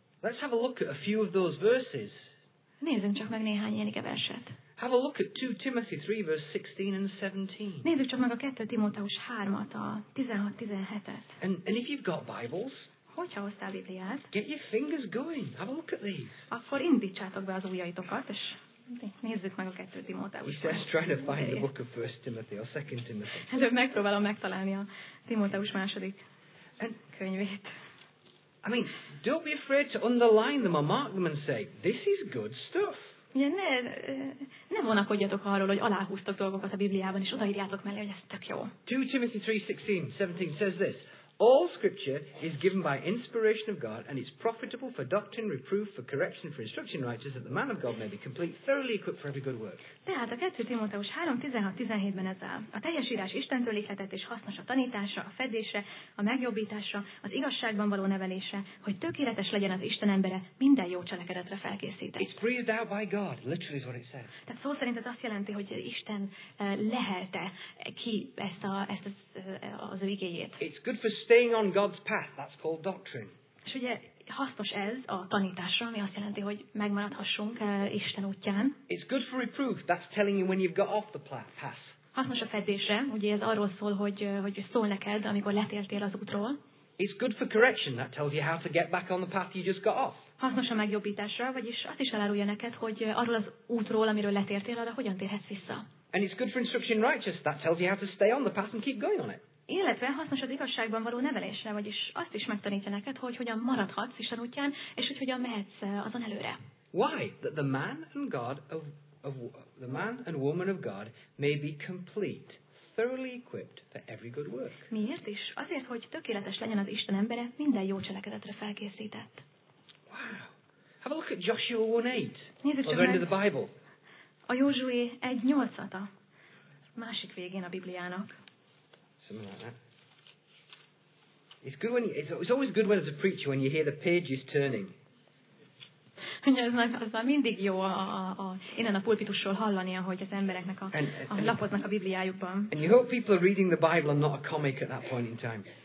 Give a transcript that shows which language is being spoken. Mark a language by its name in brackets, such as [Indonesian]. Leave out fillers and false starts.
[English] Let's have a look at a few of those verses. [Hungarian] Nézzünk csak meg néhány ilyen ige verset. [English] Have a look at 2 Timothy 3 verse 16 and 17. [Hungarian] Nézzük csak meg a 2 Timóteus 3-at, a 16-17-et. [English] And if you've got Bibles, [Hungarian] hogyha hoztál Bibliát, [English] get your fingers going. Have a look at these. [Hungarian] Akkor indítsátok be az ujjaitokat, és nézzük meg a 2 Timóteus. [English] He says, try to find the book of 1 Timothy or 2 Timothy. [Hungarian] Hát megpróbálom megtalálni a Timóteus második könyvét. [English] I mean, don't be afraid to underline them or mark them and say, this is good stuff. [Hungarian] Ugye ne vonakodjatok arról, hogy aláhúztok dolgokat a Bibliában, és odaírjátok mellé, hogy ez tök jó. [English] 2 Timothy 3:16-17 says this, All scripture is given by inspiration of God, and it's profitable for doctrine, reproof, for correction, for instruction in righteousness, that the man of God may be complete, thoroughly equipped for every good work. [Hungarian] Tehát a 2 Timóteus 3:16-17-ben ez áll. A teljes írás Istentől ihletett és hasznos a tanításra, a fedésre, a megjobbításra, az igazságban való nevelésre, hogy tökéletes legyen az Isten embere, minden jó cselekedetre felkészített. [English] It's breathed out by God, literally is what it says. [Hungarian] Tehát szó szerint ez azt jelenti, hogy Isten lehelte ki ezt az ő igéjét. [English] It's good for staying on God's path, that's called doctrine. [Hungarian] És ugye hasznos ez a tanításra, ami azt jelenti, hogy megmaradhassunk Isten útján. [English] It's good for reproof, that's telling you when you've got off the path. [Hungarian] Hasznos a fedésre, ugye ez arról szól, hogy szól neked, amikor letértél az útról. [English] It's good for correction, that tells you how to get back on the path you just got off. [Hungarian] Hasznos a megjobbításra, vagyis azt is elárulja neked, hogy arról az útról, amiről letértél, arra hogyan térhetsz vissza. [English] And it's good for instruction in righteousness, that tells you how to stay on the path and keep going on it. [Hungarian] Illetve hasznos az igazságban való nevelésre, vagyis azt is megtanítja neked, hogy hogyan maradhatsz Isten útján, és hogy hogyan mehetsz azon előre. [English] Why? That the man and God of the man and woman of God may be complete, thoroughly equipped for every good work. [Hungarian] Miért is? Azért, hogy tökéletes legyen az Isten embere, minden jó cselekedetre felkészített. [English] Wow. Have a look at Joshua 1:8. [Hungarian] Nézzük csak meg. A Józsué 1:8-at a másik végén a Bibliának. [English] It's good when it's always good when as a preacher when you hear the pages turning. [Hungarian] Ez már mindig jó innen a pulpitusról hallani, ahogy az embereknek a lapoznak a Bibliájukban. [English] And you hope people are reading the Bible and not a comic at that point in time.